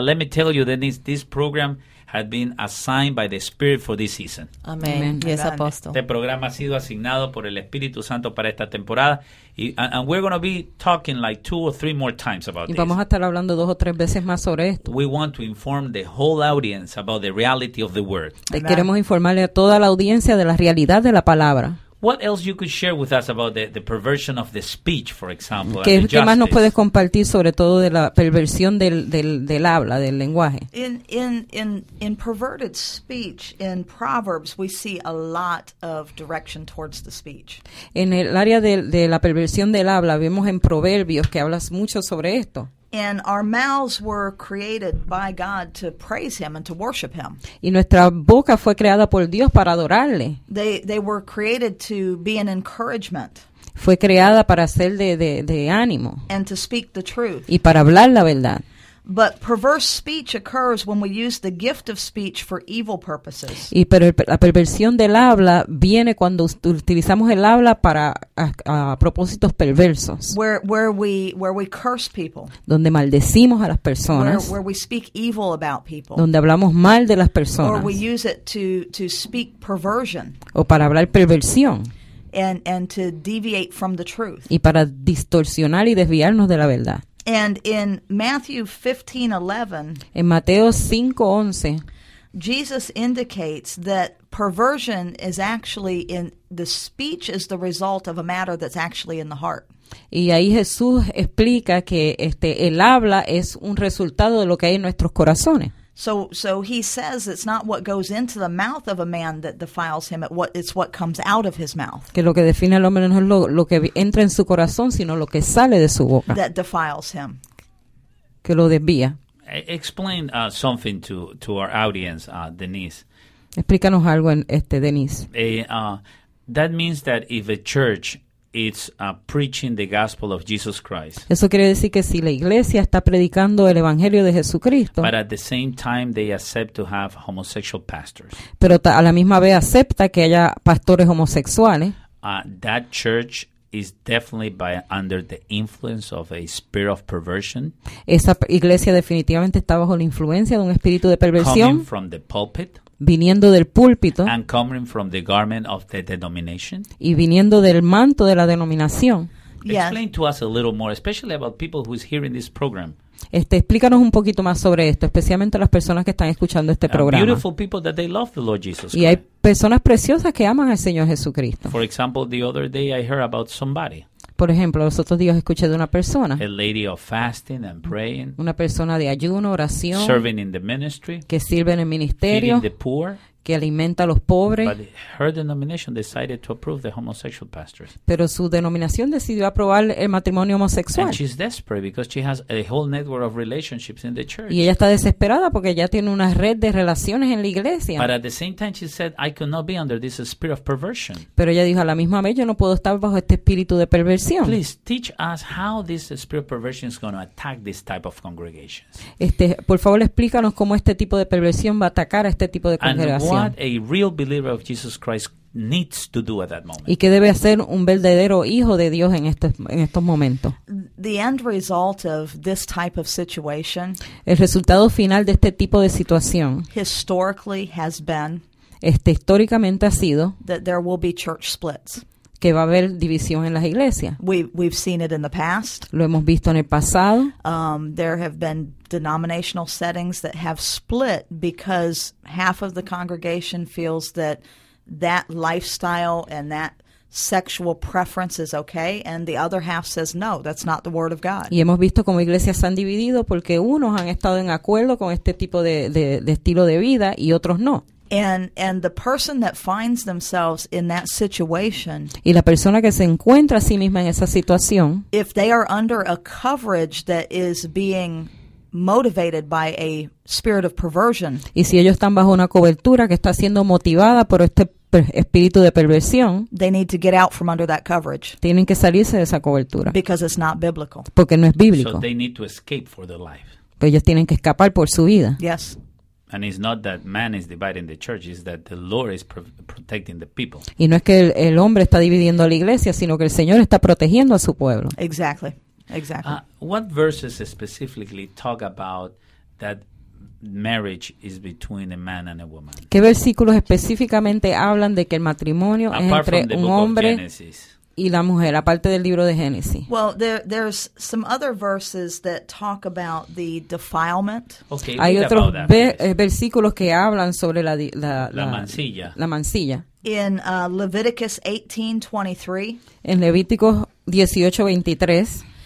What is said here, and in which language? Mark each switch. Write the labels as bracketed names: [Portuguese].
[English] Let me tell you, Denise, this program has been assigned by the Spirit for this season. [Spanish] Amén. Y es apóstol. Este programa ha sido asignado por el Espíritu Santo para esta temporada. [English] And we're going to be talking like two or three more times about this. [Spanish] Y vamos a estar hablando dos o tres veces más sobre esto. [English] We want to inform the whole audience about the reality of the Word. [Spanish] Queremos informarle a toda la audiencia de la realidad de la palabra. [English] What else you could share with us about the perversion of the speech, for example? [Spanish] ¿Qué más nos puedes compartir sobre todo de la perversión del habla, del lenguaje? [English] In perverted speech, in Proverbs, we see a lot of direction towards the speech. [Spanish] En el área de la perversión del habla, vemos en Proverbios que hablas mucho sobre esto. [English] And our mouths were created by God to praise Him and to worship Him. [Spanish] Y nuestra boca fue creada por Dios para adorarle. [English] They were created to be an encouragement. [Spanish] Fue creada para ser de ánimo. [English] And to speak the truth. [Spanish] Y para hablar la verdad. [English] But perverse speech occurs when we use the gift of speech for evil purposes. [Spanish] Y pero la perversión del habla viene cuando utilizamos el habla para propósitos perversos. [English] Where we curse people. [Spanish] Donde maldecimos a las personas. [English] Where we speak evil about people. [Spanish] Donde hablamos mal de las personas. [English] Or we use it to speak perversion. [Spanish] O para hablar perversión. [English] And to deviate from the truth. [Spanish] Y para distorsionar y desviarnos de la verdad. [English] And in Matthew 15:11, [Spanish] en Mateo 5:11, [English] Jesus indicates that perversion is actually in the speech is the result of a matter that's actually in the heart. [Spanish] Y ahí Jesús explica que el habla es un resultado de lo que hay en nuestros corazones. [English] So he says it's not what goes into the mouth of a man that defiles him, it's what comes out of his mouth. [Spanish] Que lo que define al hombre no es lo que entra en su corazón, sino lo que sale de su boca. [English] That defiles him. [Spanish] Que lo desvía. [English] Explain something to our audience, Denise. [Spanish] Explícanos algo, Denise. [English] That means that if a church is preaching the gospel of Jesus Christ. [Spanish] Eso quiere decir que si la iglesia está predicando el evangelio de Jesucristo. [English] But at the same time they accept to have homosexual pastors. [Spanish] Pero a la misma vez acepta que haya pastores homosexuales. [English] That church is definitely under the influence of a spirit of perversion. [Spanish] Esa iglesia definitivamente está bajo la influencia de un espíritu de perversión. [English] Coming from the pulpit. [Spanish] Viniendo del púlpito. [English] And coming from the garment of the denomination. [Spanish] Y viniendo del manto de la denominación. [English] Yes. Explain to us a little more, especially about people who is hearing this program. [Spanish] Explícanos un poquito más sobre esto, especialmente las personas que están escuchando este programa. [English] Beautiful people that they love the Lord Jesus Christ. [Spanish] Y hay personas preciosas que aman al Señor Jesucristo. [English] For example, the other day I heard about somebody. [Spanish] Por ejemplo, los otros días escuché de una persona. [English] A lady of fasting and praying. [Spanish] Una persona de ayuno, oración. [English] Serving in the ministry. [Spanish] Que sirve en el ministerio. [English] Feeding the poor. [Spanish] Que alimenta a los pobres. [English] But her denomination decided to approve the homosexual pastors. [Spanish] Pero su denominación decidió aprobar el matrimonio homosexual. [English] And she's desperate because she has a whole network of relationships in the church. [Spanish] Y ella está desesperada porque ya tiene una red de relaciones en la iglesia. [English] But at the same time she said, I could not be under this spirit of perversion. [Spanish] Pero ella dijo, a la misma vez, yo no puedo estar bajo este espíritu de perversión. [English] Please teach us how this spirit of perversion is going to attack this type of congregations. [Spanish] Por favor, explícanos cómo este tipo de perversión va a atacar a este tipo de congregaciones. [English] What a real believer of Jesus Christ needs to do at that moment. [Spanish] ¿Y qué debe hacer un verdadero hijo de Dios en estos momentos? [English] The end result of this type of situation. [Spanish] El resultado final de este tipo de situación. [English] Historically has been. [Spanish] Históricamente ha sido. [English] That there will be church splits. [Spanish] que va a haber división en las iglesias. [English] We've seen it in the past. [Spanish] Lo hemos visto en el pasado. [English] There have been denominational settings that have split because half of the congregation feels that that lifestyle and that sexual preference is okay, and the other half says no, that's not the word of God. [Spanish] Y hemos visto cómo iglesias se han dividido porque unos han estado en acuerdo con este tipo de estilo de vida y otros no. [English] And the person that finds themselves in that situation, [Spanish] y la persona que se encuentra a sí misma en esa situación, [English] if they are under a coverage that is being motivated by a spirit of perversion, [Spanish] y si ellos están bajo una cobertura que está siendo motivada por este espíritu de perversión, [English] they need to get out from under that coverage. [Spanish] Tienen que salirse de esa cobertura. [English] Because it's not biblical. [Spanish] Porque no es bíblico. [English] So they need to escape for their life. [Spanish] Pero ellos tienen que escapar por su vida. [English] Yes. And it's not that man is dividing the church, it's that the Lord is protecting the people. [Spanish] Y no es que el hombre está dividiendo a la iglesia, sino que el Señor está protegiendo a su pueblo. [English] Exactly. Exactly. What verses specifically talk about that marriage is between a man and a woman? [Spanish] ¿Qué versículos específicamente hablan de que el matrimonio [English] apart [Spanish] es entre un hombre [English] Genesis [Spanish] y la mujer, aparte del libro de Génesis? [English] Well, there's some other verses that talk about the defilement. Okay, [Spanish] hay otros [English] that, [Spanish] versículos que hablan sobre la mancilla. La mancilla. [English] In Leviticus 18:23. [Spanish] En Levíticos 18:23.